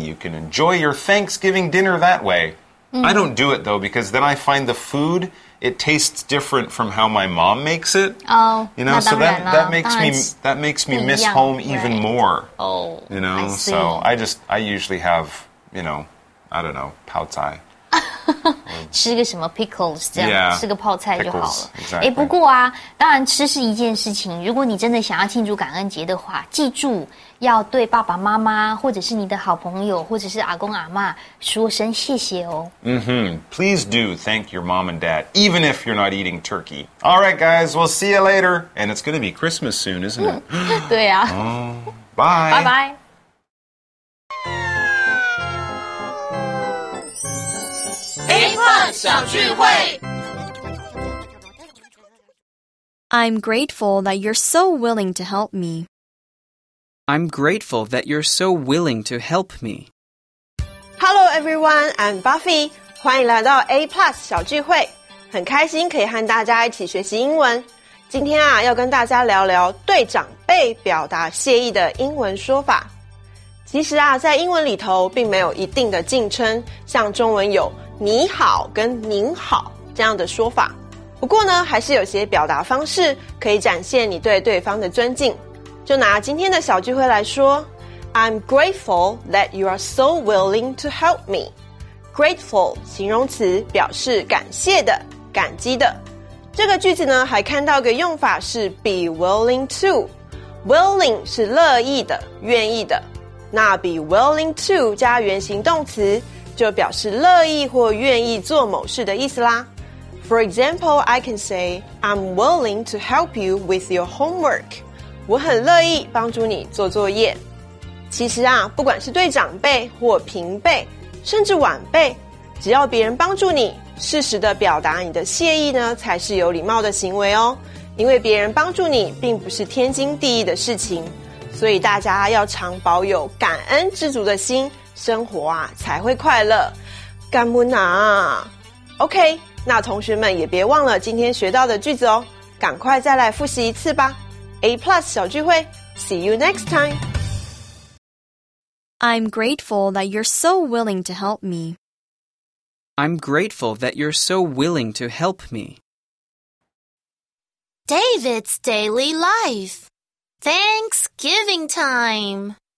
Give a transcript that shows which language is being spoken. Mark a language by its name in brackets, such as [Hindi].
[English] You can enjoy your Thanksgiving dinner that way.、I don't do it, though, because then I find the food, it tastes different from how my mom makes it. Oh, you know, so that makes me miss home even、 right. more. Oh, you know, I see. So I usually have... You know, I don't know, 泡菜 [Chinese] 吃个什么 pickles 这样 [English] yeah, [Chinese] 吃个泡菜就好了 [English] pickles,、exactly. [Chinese] 不过啊当然吃是一件事情如果你真的想要庆祝感恩节的话记住要对爸爸妈妈或者是你的好朋友或者是阿公阿嬷说声谢谢哦、 mm-hmm. [English] Please do thank your mom and dad even if you're not eating turkey Alright guys, we'll see you later And it's going to be Christmas soon, isn't it? [Chinese] 对啊、 [English] Bye Bye bye I'm grateful that you're so willing to help me. I'm grateful that you're so willing to help me. Hello everyone, I'm Buffy. [Chinese] 欢迎来到 A Plus 小聚会，很开心可以和大家一起学习英文。今天啊，要跟大家聊聊对长辈表达谢意的英文说法。其实啊，在英文里头并没有一定的敬称，像中文有你好跟您好这样的说法不过呢还是有些表达方式可以展现你对对方的尊敬就拿今天的小聚会来说 [English] I'm grateful that you are so willing to help me [Chinese] grateful 形容词表示感谢的感激的这个句子呢还看到个用法是 be willing to willing 是乐意的愿意的那 be willing to 加原形动词就表示乐意或愿意做某事的意思啦。 [English] For example, I can say, I'm willing to help you with your homework. [Chinese] 我很乐意帮助你做作业。其实啊，不管是对长辈或平辈，甚至晚辈，只要别人帮助你，适时的表达你的谢意呢，才是有礼貌的行为哦。因为别人帮助你，并不是天经地义的事情，所以大家要常保有感恩知足的心，生活啊才会快乐。干不拿 ，OK。那同学们也别忘了今天学到的句子哦，赶快再来复习一次吧。 [English] A Plus 小聚会 ，See you next time。 I'm grateful that you're so willing to help me. I'm grateful that you're so willing to help me. David's daily life. Thanksgiving time.